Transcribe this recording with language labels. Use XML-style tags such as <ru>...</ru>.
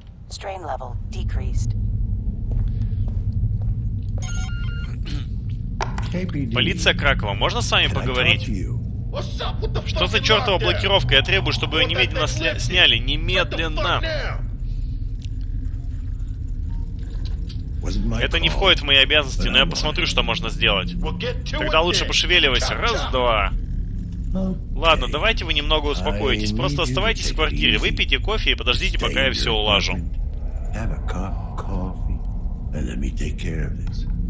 <en>Strain level decreased.</en> <ru>Полиция Кракова, можно с вами поговорить? Что за чертова блокировка? Я требую, чтобы ее немедленно сняли. Немедленно! Это не входит в мои обязанности, но я посмотрю, что можно сделать. Тогда лучше пошевеливайся. Раз, два. Ладно, давайте вы немного успокоитесь. Просто оставайтесь в квартире, выпейте кофе и подождите, пока я все улажу.</ru> <en>Have a cup of coffee and let me take care of this.</en>